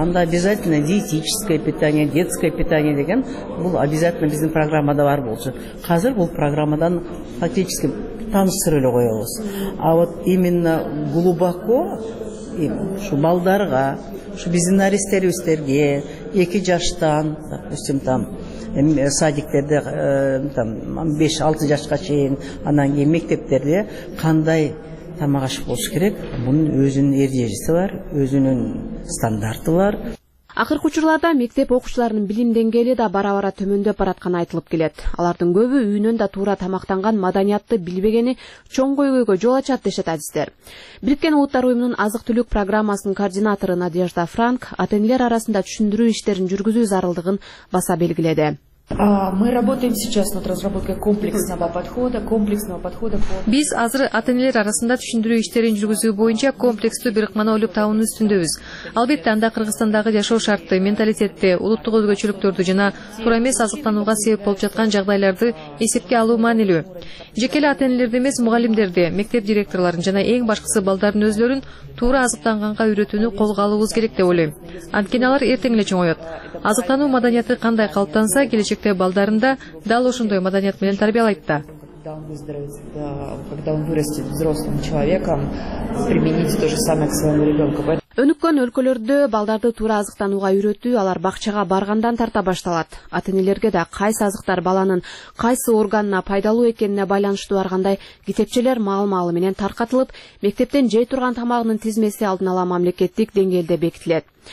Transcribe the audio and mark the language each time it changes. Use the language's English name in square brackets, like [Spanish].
[Kyrgyz] Анда [Russian] обязательно диетическое питание, детское питание [Kyrgyz] деген бул [Russian] обязательно [Kyrgyz] биздин программада бар болчу. Азыр бул программадан фактически таныштырып эле коебуз. [Russian] А вот именно глубоко [Kyrgyz] ушу балдарга, ушу биздин наристерибиздерге 2 жаштан, [Russian] допустим, там [Kyrgyz] садиктерде 5-6 жашка чейин, анан кийин мектептерде кандай тамак аш болуш керек, мунун өзүнүн эрежеси бар, өзүнүн стандарты бар. Акыркы учурларда мектеп окуучуларынын билим деңгээли да бара-бара төмөндөп баратканы айтылып келет. Алардын көбү үйүнөн да туура тамактанган маданиятты билбегени чоң көйгөйгө жол ачат дешет адистер. Бириккен Улуттар Уюмунун азык түлүк программасынын координатору Надежда Франк ата-энелер арасында түшүндүрүү иштерин жүргүзүү зарылдыгын баса белгиледи. [Russian] Мы работаем сейчас над разработкой комплексного подхода. [Kyrgyz] Биз азыр ата-энелер арасында түшүндүрүү иштерин жүргүзүү боюнча комплекстүү бир ыкманы ойлоп табуунун үстүндөбүз. Албетте, анда Кыргызстандагы жашоо шартты, менталитетти, улуттук өзгөчөлүктөрдү жана туура эмес азыктанууга себеп болуп жаткан жагдайларды эсепке алуу маанилүү. Жеке эле ата-энелерди эмес, мугалимдерди, мектеп директорлорун жана эң башкысы балдардын өзлөрүн туура азыктанганга үйрөтүүнү колго алуубуз керек деп ойлойм. Анткени алар эртең эле чоңоет. Азыктануу маданияты кандай калыптанса, келечекте балдарында дал ошондой маданият менен тарбиялайт да. [Russian] Когда он вырастет взрослым человеком, примените то же самое к своему ребенку. [Kyrgyz] Өнүккөн өлкөлөрдө балдарды туура азыктанууга үйрөтүү алар бакчага баргандан тарта башталат. Ата-энелерге да кайсы азыктар баланын кайсы органына пайдалуу экенине байланыштуу ар кандай китепчелер маал-маалы менен таркатылып, мектептен жей турган тамагынын тизмеси алдын ала мамлекеттик деңгээлде бекитилет.